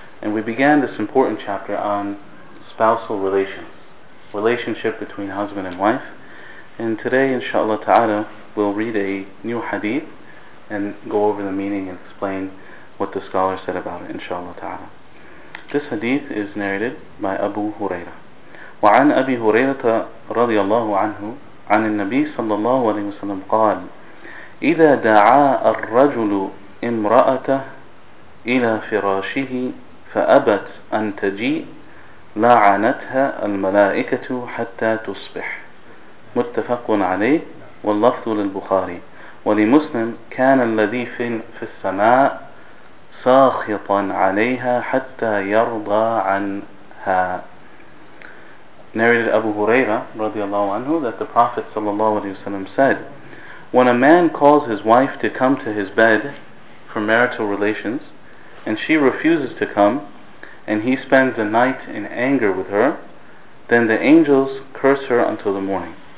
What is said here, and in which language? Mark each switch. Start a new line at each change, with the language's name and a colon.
English: And we began this important chapter on spousal relations, relationship between husband and wife. And today, inshallah ta'ala, we'll read a new hadith and go over the meaning and explain what the scholar said about it, inshallah ta'ala. This hadith is narrated by Abu Hurairah.
Arabic: وعن أبي هريرة رضي الله عنه عن النبي صلى الله عليه وسلم قال إذا دعا الرجل امرأته إلى فراشه فأبت أن تجيء لعنتها الملائكة حتى تصبح. متفق عليه، واللفظ للبخاري. ولمسلم كان الذي في السماء ساخطا عليها حتى يرضى عنها.
English: Narrated Abu Huraira
Arabic: رضي الله عنه
English: that the Prophet
Arabic: صلى الله عليه وسلم
English: said, when a man calls his wife to come to his bed for marital relations and she refuses to come and he spends the night in anger with her, then the angels curse her until the morning.